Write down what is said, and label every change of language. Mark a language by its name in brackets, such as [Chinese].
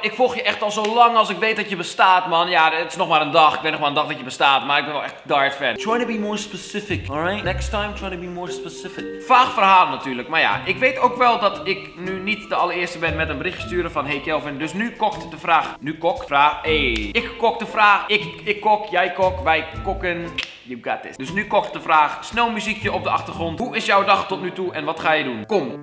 [Dutch] Ik volg je echt al zo lang als ik weet dat je bestaat, man. Ja, het is nog maar een dag. Ik weet nog maar een dag dat je bestaat, maar ik ben wel echt diehard fan. [English] Try to be more specific, alright? Next time, try to be more specific. [Dutch] Vaag verhaal natuurlijk, maar ja, ik weet ook wel dat ik nu niet de allereerste ben met een bericht sturen van hey Kelvin. Dus nu kokt de vraag. Nu kokt? Vraag. Hey. Ik kok de vraag. Ik kok. Jij kok. Wij kokken. [English] You got this. [Dutch] Dus nu kokt de vraag. Snel muziekje op de achtergrond. Hoe is jouw dag tot nu toe en wat ga je doen? Kom.